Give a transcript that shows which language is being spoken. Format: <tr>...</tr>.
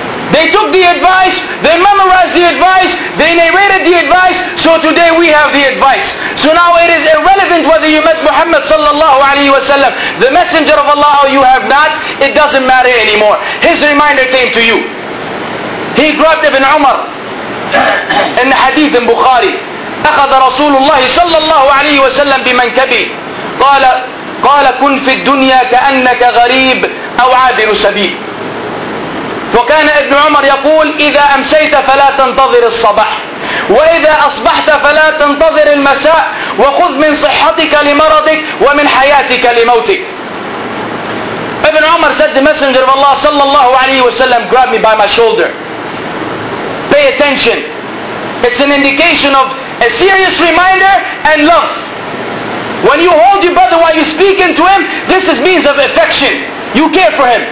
<en>They took the advice, they memorized the advice, they narrated the advice, so today we have the advice. So now it is irrelevant whether you met Muhammad sallallahu alayhi wa sallam, the Messenger of Allah, or you have not, it doesn't matter anymore. His reminder came to you. He grabbed Ibn Umar in the hadith in Bukhari.</en> <ar>أخذ رسول الله صلى الله عليه وسلم بمنكبه قال كن في الدنيا كأنك غريب أو عابر سبيل. وكان ابن عمر يقول إذا أمسيت فلا تنتظر الصباح وإذا أصبحت فلا تنتظر المساء وخذ من صحتك لمرضك ومن حياتك لموتك.</ar> <en>ابن عمر said the messenger of Allah</en> <ar>صلى الله عليه وسلم</ar> <en>grab me by my shoulder, pay attention, it's an indication of a serious reminder and love. When you hold your brother while you're speaking to him, this is means of affection. You care for him.</en>